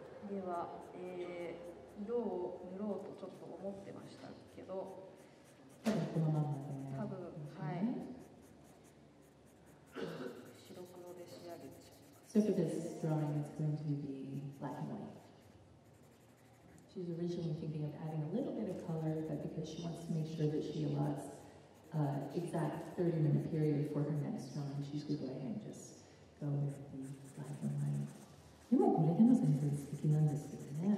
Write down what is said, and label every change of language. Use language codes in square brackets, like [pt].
[ja] では、色を塗ろうとちょっと思ってましたけど、多分このままで、多分、はい、白黒で仕上げてしまいます。 [en] So for this drawing, it's going to be black and white. She's originally thinking of adding a little bit of color, but because she wants to make sure that she allots exact 30 minute period before her next drawing, she's going to go ahead and just go with the black and white. [ja] でもこれでも全然素敵なんですけどね。